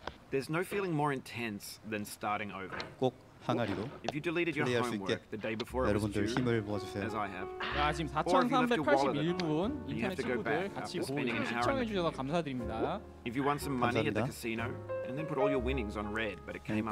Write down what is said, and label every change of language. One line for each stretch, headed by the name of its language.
English: There's no feeling more intense than starting over.
Korean: 꼭 항아리로 플레이할 수 있게 여러분들 힘을 모아주세요. 야, 지금 4,381분 인터넷 친구들 같이 보고 시청해 주셔서 감사드립니다. 감사합니다.
English: And then put all your winnings on red, but it came up.